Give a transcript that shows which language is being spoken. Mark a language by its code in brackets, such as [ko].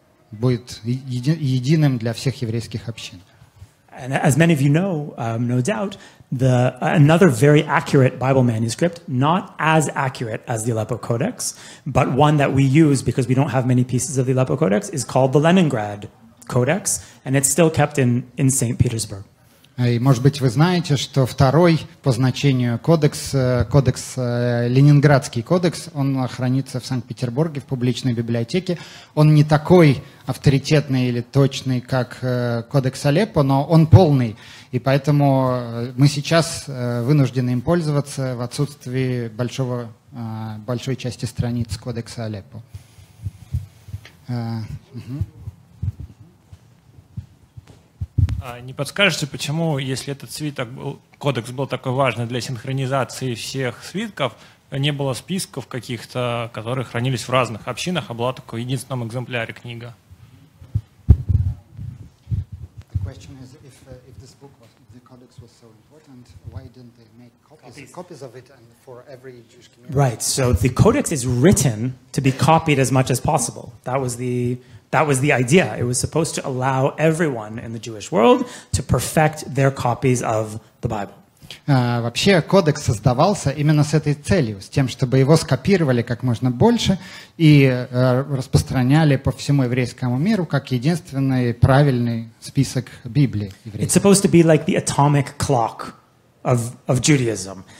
[ru] будет единым для всех еврейских общин. [en] And as many of you know, no doubt, the another very accurate Bible manuscript, not as accurate as the Aleppo Codex, but one that we use because we don't have many pieces of the Aleppo Codex, is called the Leningrad Codex, and it's still kept in St. Petersburg. [ru] И, может быть, вы знаете, что второй по значению кодекс, кодекс Ленинградский кодекс, он хранится в Санкт-Петербурге в публичной библиотеке. Он не такой авторитетный или точный, как кодекс Алеппо, но он полный. И поэтому мы сейчас вынуждены им пользоваться в отсутствии большого, большой части страниц кодекса Алеппо. Не подскажете, почему, если этот свиток был, кодекс был такой важный для синхронизации всех свитков, не было списков каких-то, которые хранились в разных общинах, а была только в единственном экземпляре книга? The question is, if this book was, the codex was so important, why didn't they make copies of it and for every Jewish community? [en] Right, so the codex is written to be copied as much as possible. That was the idea. It was supposed to allow everyone in the Jewish world to perfect their copies of the Bible. [ru] Вообще кодекс создавался именно с этой целью, с тем, чтобы его скопировали как можно больше и распространяли по всему еврейскому миру как единственный правильный список Библии еврейской. [en] It's supposed to be like the atomic clock of Judaism.